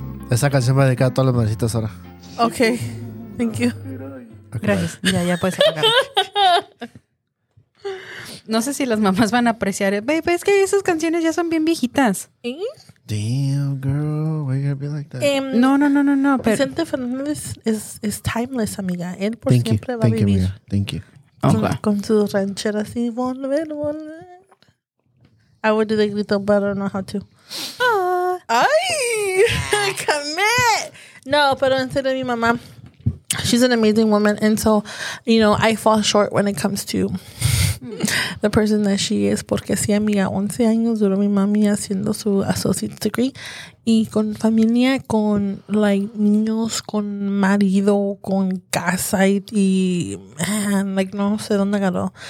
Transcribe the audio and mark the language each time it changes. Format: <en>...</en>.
<es>Esa canción va a dedicar a todas las madrecitas ahora.</es> <en>Ok, thank you. Okay,</en> <es>gracias, bye. Ya puedes apagar. No sé si las mamás van a apreciar. Baby, es que esas canciones ya son bien viejitas.</es> <en>Damn, girl, why you gotta be like that?</en> <es>No.</es> <en>Vicente Fernández is timeless, amiga.</en> <es>Él por</es> <en>thank</en> <es>siempre</es> <en>you.</en> <es>Va a vivir.</es> <en>Thank you, amiga. Thank you. Okay.</en> <es>Con su ranchera así, volver.</es> <en>I would do the grito, but I don't know how to.</en> <es>Ay,</es> <en>come in.</en> <es>No, pero en serio, mi mamá,</es> <en>she's an amazing woman. And so, you know, I fall short when it comes to the person that she is.</en> <es>Porque sí, amiga, 11 años duró mi mami haciendo su associate's degree. Y con familia, con, like, niños, con marido, con casa, y man, like, no sé dónde ganó.</es>